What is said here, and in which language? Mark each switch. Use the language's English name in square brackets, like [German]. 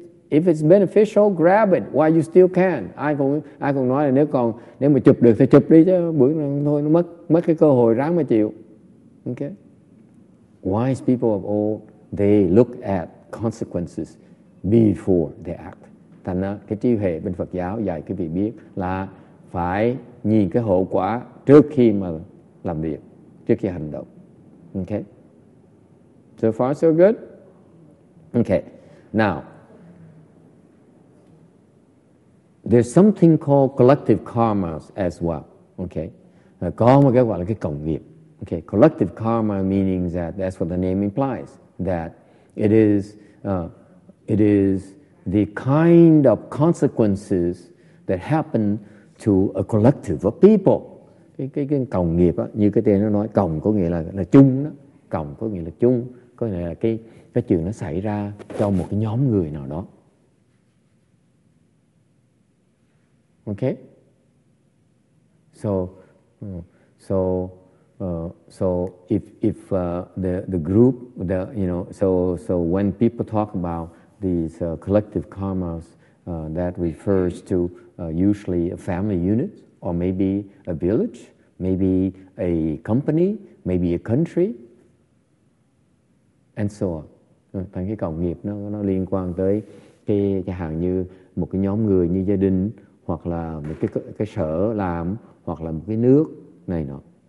[English] If it's beneficial, grab it while you still can. [Vietnamese] Ai cũng nói là nếu mà chụp được thì chụp đi chứ bữa thôi nó mất cái cơ hội, ráng mà chịu. Okay. [English] Wise people of old, they look at consequences before they act. [Vietnamese] Thành ra cái trí huệ bên Phật giáo dạy quý vị biết là phải nhìn cái hậu quả trước khi mà làm việc, trước khi hành động. [English] Okay. So far so good. Okay. Now, there's something called collective karma as well. Okay. [Vietnamese] Có một cái gọi là cái cộng nghiệp. [English] Okay. Collective karma meaning that's what the name implies, that it is the kind of consequences that happen to a collective of people. [Vietnamese] Cái cộng nghiệp á, như cái tên nó nói, cộng có nghĩa là chung đó. Cộng có nghĩa là chung, có nghĩa là cái chuyện nó xảy ra cho một cái nhóm người nào đó. [English] Okay? So if the group, the, you know, so when people talk about these collective karmas, that refers to usually a family unit, or maybe a village, maybe a company, maybe a country, and so on. [Vietnamese] Thành cái cộng nghiệp nó liên quan tới cái hàng như một cái nhóm người như gia đình, hoặc là một cái sở làm, hoặc là một cái nước này nọ.